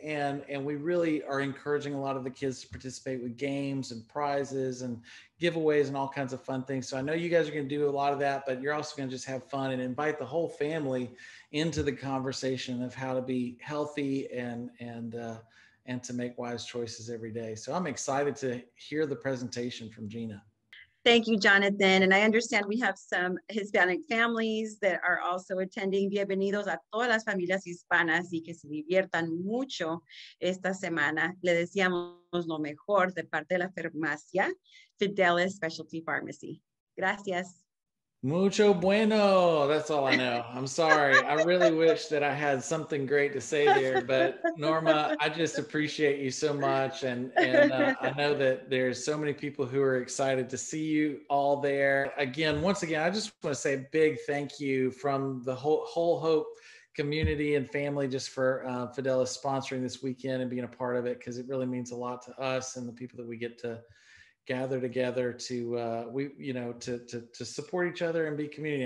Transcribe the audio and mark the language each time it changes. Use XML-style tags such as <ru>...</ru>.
<en>And we really are encouraging a lot of the kids to participate with games and prizes and giveaways and all kinds of fun things. So I know you guys are going to do a lot of that, but you're also going to just have fun and invite the whole family into the conversation of how to be healthy and to make wise choices every day. So I'm excited to hear the presentation from Gina. Thank you, Jonathan. And I understand we have some Hispanic families that are also attending.</en> <es>Bienvenidos a todas las familias hispanas y que se diviertan mucho esta semana. Le deseamos lo mejor de parte de la farmacia Fidelis Specialty Pharmacy. Gracias. Mucho bueno.</es> <en>That's all I know. I'm sorry. I really wish that I had something great to say there, but Norma, I just appreciate you so much. And I know that there's so many people who are excited to see you all there. Again, once again, I just want to say a big thank you from the whole Hope community and family, just for Fidelis sponsoring this weekend and being a part of it, because it really means a lot to us and the people that we get to gather together to support each other and be community.</en>